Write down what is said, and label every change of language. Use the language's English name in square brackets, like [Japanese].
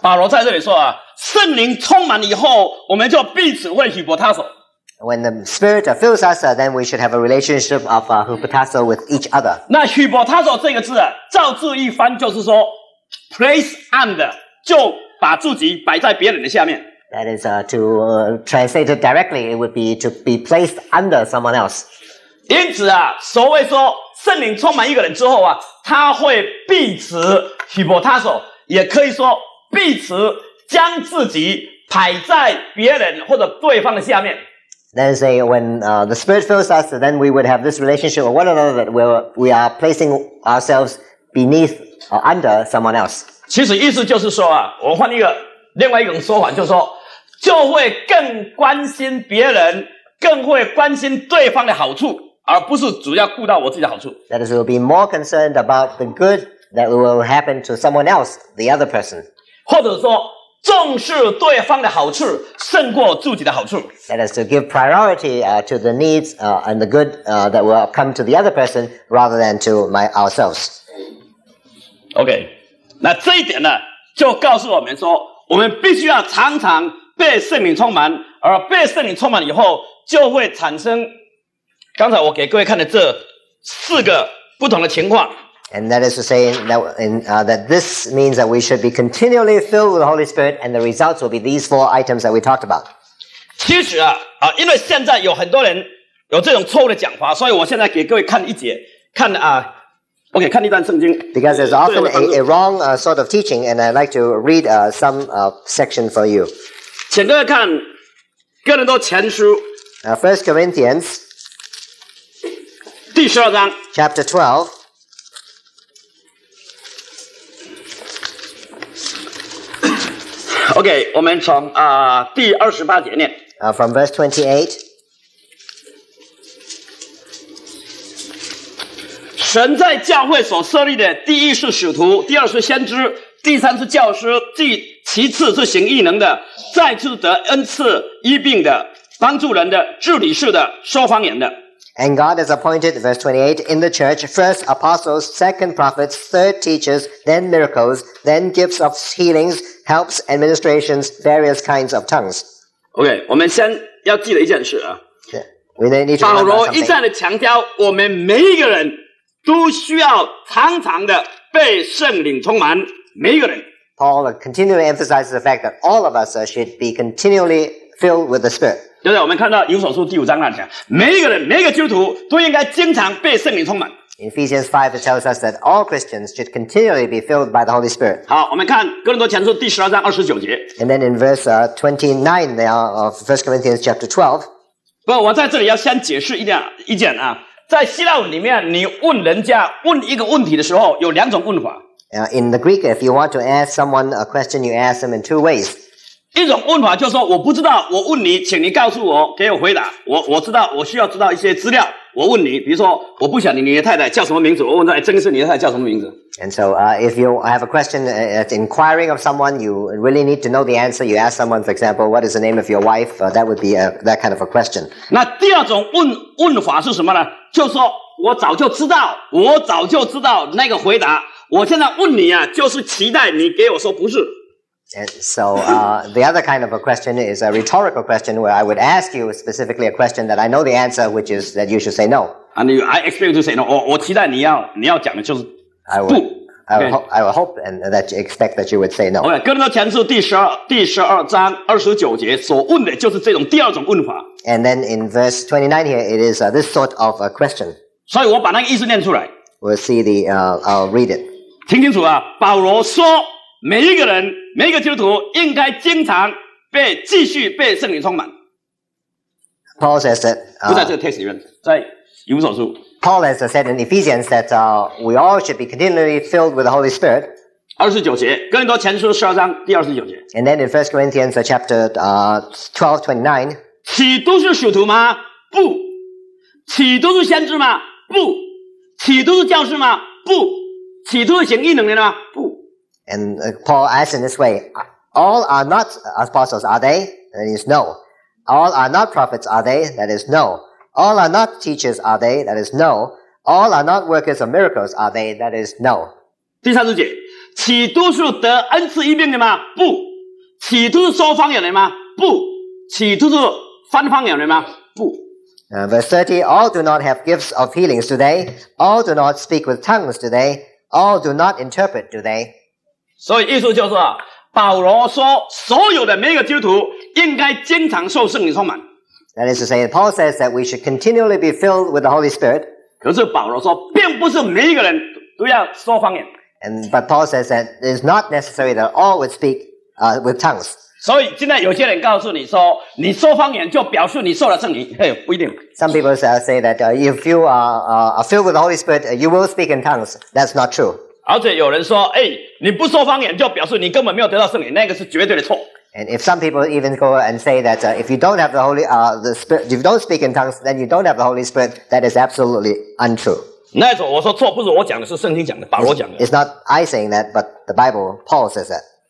[Chinese] 保罗在这里说啊，圣灵充满以后，我们就彼此会 hypotasso。 [English] When the Spirit fills us, then we should have a relationship of hypotasso with each other。 [Chinese] 那 hypotasso 这个字、啊，照字一翻就是说 [English] place and。 [Chinese] 就把自己摆在别人的下面。 [English] That is translate it directly. It would be to be placed under someone else. [Chinese] 因此啊，所谓说圣灵充满一个人之后啊，他会彼此 hypotasso， 也可以说彼此将自己摆在别人或者对方的下面。 [English] Then say when the Spirit fills us, then we would have this relationship with one another that we are placing ourselves beneath or under someone else. [Chinese] 其实意思就是说啊，我换另外一种说法，就是说，就会更关心别人，更会关心对方的好处，而不是主要顾到我自己的好处。 [English] That is, we'll be more concerned about the good that will happen to someone else, the other person. [Chinese] 或者说，重视对方的好处胜过自己的好处。 [English] That is to give priority to the needs and the good that will come to the other person rather than to ourselves. Okay. [Chinese] 那这一点呢，就告诉我们说，我们必须要常常被圣灵充满，而被圣灵充满以后，就会产生刚才我给各位看的这四个不同的情况。 [English] And that is to say that this means that we should be continually filled with the Holy Spirit, and the results will be these four items that we talked about. [Chinese] 其实啊，因为现在有很多人有这种错误的讲法，所以我现在给各位看一节，看啊。 Okay, 看一段圣经 [English] Because there's often a wrong sort of teaching, and I'd like to read some section for you. [Chinese] 请各位看哥林多前书 [English] First Corinthians, [Chinese] 第十二章 [English] Chapter 12. [Chinese] Okay, 我们从第二十八节念 [English] From verse 28. [Chinese] 神在教会所设立的第一是使徒，第二是先知，第三是教师，其次是行异能的，再次得恩赐医病的，帮助人的，治理事的，说方言的。 [English] And God has appointed, verse 28, in the church, first apostles, second prophets, third teachers, then miracles, then gifts of healings, helps, administrations, various kinds of tongues. [Chinese] OK， 我们先要记得一件事啊。保罗一再的强调，我们每一个人都需要常常的被圣灵充满，每一个人。 [English] Paul continually emphasizes the fact that all of us should be continually filled with the Spirit. [Chinese] 就是我们看到以弗所书第五章那讲，每一个人，每一个基督徒都应该经常被圣灵充满。 [English] In Ephesians 5, it tells us that all Christians should continually be filled by the Holy Spirit. [Chinese] 好，我们看哥林多前书第十二章二十九节。 [English] And then in verse 29 of 1 Corinthians chapter 12. [Chinese] 不，我在这里要先解释一点啊，在希腊文里面，你问人家问一个问题的时候，有两种问法。 [English] In the Greek, if you want to ask someone a question, you ask them in two ways. [Chinese] 一种问法就是说，我不知道，我问你，请你告诉我，给我回答。我知道，我需要知道一些资料。我问你，比如说，我不晓得你的太太叫什么名字，我问他，哎，真是你的太太叫什么名字 [English] ？And so, if you have a question, inquiring of someone, you really need to know the answer. You ask someone, for example, what is the name of your wife? That would be that kind of a question. [Chinese] 那第二种问法是什么呢？就说我早就知道，我早就知道那个回答。我现在问你啊，就是期待你给我说不是。 [English] And so, the other kind of a question is a rhetorical question where I would ask you specifically a question that I know the answer, which is that you should say no. And I expect to say no. [Chinese] 我期待你要讲的就是不。 [English] I will hope and that you expect that you would say no. [Chinese] OK, 哥林多前书第十二章二十九节所问的就是这种第二种问法。 [English] And then in verse 29 here, it is this sort of a question. [Chinese] 所以我把那个意思念出来。 [English] We'll see the, I'll read it. [Chinese] 听清楚啊，保罗说每一个人每一个基督徒应该经常被继续被圣灵充满。 [English] Paul says that [Chinese] 不在这个 text 里面，在以弗所书。 [English] Paul has said in Ephesians that we all should be continually filled with the Holy Spirit. [Chinese] 二十九节，哥林多前书十二章第二十九节。 [English] And then in 1 Corinthians chapter 12:29. [Chinese] 岂都是使徒吗？不。岂都是先知吗？不。岂都是教师吗？不。岂都是行异能的吗？不。 [English] And Paul asks in this way, all are not apostles, are they? That is no. All are not prophets, are they? That is no. All are not teachers, are they? That is no. All are not workers of miracles, are they? That is no. [Chinese] 第三十节，岂都是得恩赐异禀的吗？不。岂都是说方言的吗？不。岂都是翻方言的吗？不。 [English] Verse 30, all do not have gifts of healings, do they? All do not speak with tongues, do they? All do not interpret, do they? [Chinese] 所以意思就是，保罗说，所有的每一个基督徒应该经常受圣灵充满。 [English] That is to say, Paul says that we should continually be filled with the Holy Spirit. [Chinese] 可是保罗说，并不是每一个人都要说方言。 [English] But Paul says that it is not necessary that all would speak with tongues. [Chinese] 所以现在有些人告诉你说，你说方言就表示你受了圣灵，嘿，不一定。 [English] Some people say that if you are filled with the Holy Spirit, you will speak in tongues. That's not true. [Chinese] 而且有人说，哎，你不说方言就表示你根本没有得到圣灵，那个是绝对的错。 [English] And if some people even go and say that if you don't have the Holy, the Spirit, if you don't speak in tongues, then you don't have the Holy Spirit, that is absolutely untrue. [Chinese] 那种我说错，不是我讲的，是圣经讲的，保罗讲的。 [English] It's not I saying that, but the Bible, Paul says that.